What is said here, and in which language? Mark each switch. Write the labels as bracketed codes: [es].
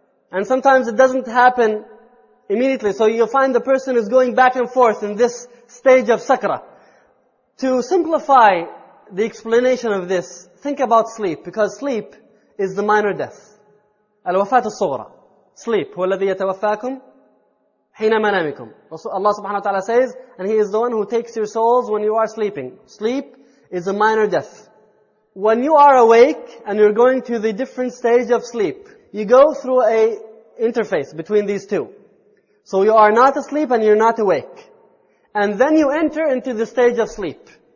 [en] And sometimes it doesn't happen immediately. So you'll find the person is going back and forth in this stage of sakra. To simplify the explanation of this, think about sleep, because sleep is the minor death. Al-wafat al-sughra. Sleep. [ar] هو الذي يتوفاكم حين منامكم. [en] Allah subhanahu wa ta'ala says, and He is the one who takes your souls when you are sleeping. Sleep is a minor death. When you are awake and you're going to the different stage of sleep, you go through a interface between these two. So you are not asleep and you're not awake. And then you enter into the stage of sleep.